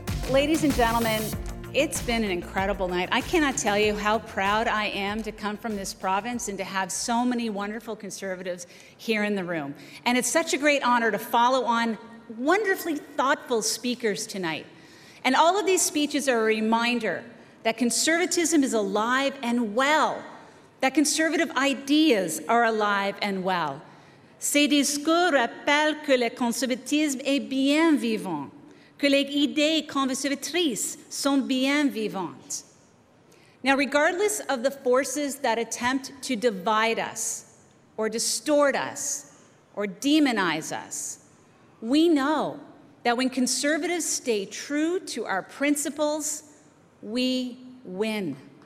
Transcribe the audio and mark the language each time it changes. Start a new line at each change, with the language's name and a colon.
English: Ladies and gentlemen, it's been an incredible night. I cannot tell you how proud I am to come from this province and to have so many wonderful Conservatives here in the room. And it's such a great honour to follow on wonderfully thoughtful speakers tonight. And all of these speeches are a reminder that conservatism is alive and well, that conservative ideas are alive and well.
French: Ces discours rappellent que le conservatisme est bien vivant, que les idées conservatrices sont bien vivantes.
English: Now, regardless of the forces that attempt to divide us, or distort us, or demonize us, we know that when conservatives stay true to our principles, we win.